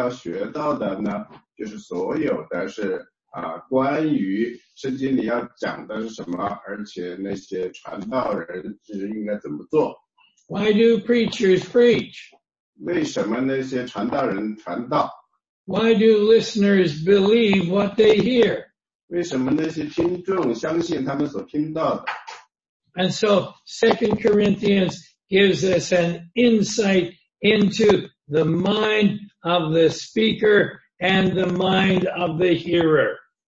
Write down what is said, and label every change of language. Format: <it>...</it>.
<zh>所以呢，我们在格林多后书里要学到的呢，就是所有的是。关于圣经里要讲的是什么，而且那些传道人是应该怎么做？</zh> <en>Why do preachers preach?</en> <zh>为什么那些传道人传道？</zh> <en>Why do listeners believe what they hear?</en> <zh>为什么那些听众相信他们所听到的？</zh> <en>And so 2 Corinthians gives us an insight into the mind of the speaker and the mind of the hearer.</en>